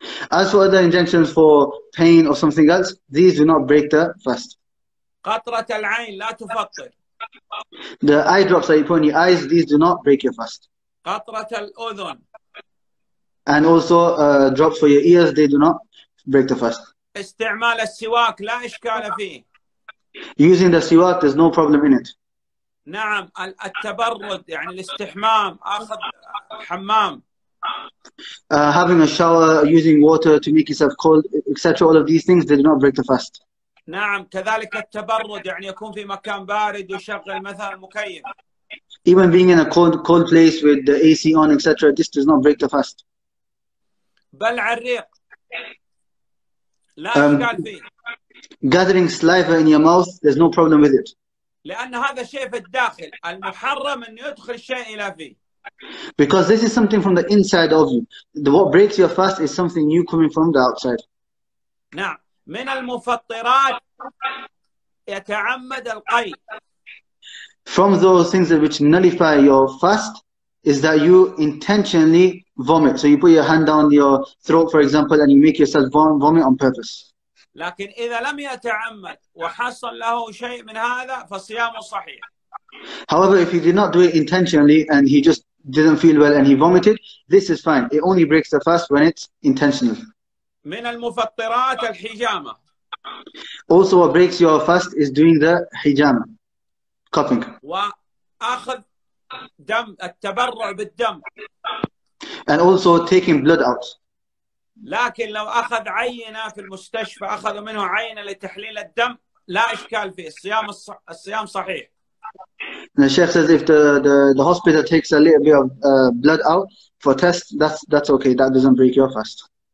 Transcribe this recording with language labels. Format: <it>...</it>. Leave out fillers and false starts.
<en>As for other injections for pain or something else, these do not break the fast.</en> <ar>قطرة العين لا تفطر.</ar> <en>The eye drops that you put in your eyes, these do not break your fast.</en> <ar>قطرة الأذن.</ar> <en>And also drops for your ears, they do not break the fast.</en> <ar>استعمال السواك لا إشكال فيه.</ar> <en>Using the siwak, there's no problem in it.</en> <ar>نعم التبرد يعني الاستحمام أخذ حمام.</ar> <en>Having a shower, using water to make yourself cold, etc. All of these things, they do not break the fast.</en> <ar>نعم كذلك التبرد يعني يكون في مكان بارد وشغل مثلا مكيف.</ar> <en>Even being in a cold place with the AC on, etc., this does not break the fast.</en> <ar>بلع الريق. لا إشكال فيه.</ar> <en>Gathering saliva in your mouth, there's no problem with it.</en> <ar>لأن هذا شيء في الداخل المحرم أن يدخل شيء إلى فيه.</ar> <en>Because this is something from the inside of you. What breaks your fast is something new coming from the outside.</en> <ar>نعم. من المفطرات يتعمد القيء.</ar> <en>From those things which nullify your fast is that you intentionally vomit. So you put your hand down your throat, for example, and you make yourself vomit on purpose.</en> <ar>لكن إذا لم يتعمد وحصل له شيء من هذا فصيامه صحيح.</ar> <en>However, if he did not do it intentionally and he just didn't feel well and he vomited, this is fine. It only breaks the fast when it's intentional.</en> <ar>من المفطرات الحجامة.</ar> <en>Also, what breaks your fast is doing the hijama. Cupping</en> <ar>واخذ دم التبرع بالدم</ar> <en>and also taking blood out.</en> <ar>لكن لو اخذ عينه في المستشفى اخذوا منه عينه لتحليل الدم لا اشكال فيه الصيام صحيح.</ar> <en>And the sheikh says if the hospital takes a little bit of blood out for test that's okay that doesn't break your fast.</en>